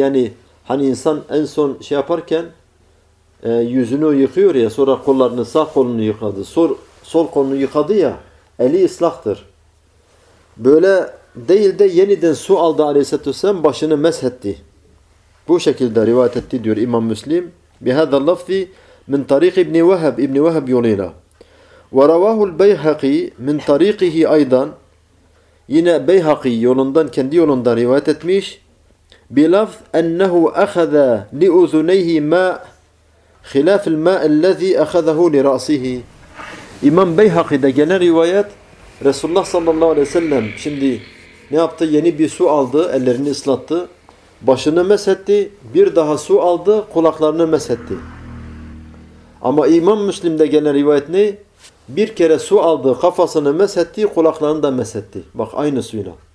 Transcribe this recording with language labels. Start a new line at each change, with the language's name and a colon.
Turkish: Yani hani insan en son şey yaparken yüzünü yıkıyor ya, sonra kollarını, sağ kolunu yıkadı, sol kolunu yıkadı ya, eli ıslaktır. Böyle değil de yeniden su aldı aleyhissalatü vesselam, başını meshetti. Bu şekilde rivayet etti diyor İmam Müslim.
Arabic: بهذا اللفظ من طريق ابن وهب ابن وهب يونيلا ورواه البيهقي من طريقه أيضا
Turkish: yine Beyhaki yolundan, kendi yolundan rivayet etmiş.
Arabic: بلفظ أنه أخذ لأذنيه ماء خلاف الماء الذي أخذه لرأسه.
Turkish: İmam Beyhaki de gene rivayet, Resulullah sallallahu aleyhi ve sellem şimdi ne yaptı? Yeni bir su aldı, ellerini ıslattı, başını meshetti, bir daha su aldı, kulaklarını meshetti. Ama İmam Müslim'de gelen rivayet ne? Bir kere su aldı, kafasını meshetti, kulaklarını da meshetti. Bak aynı suyla.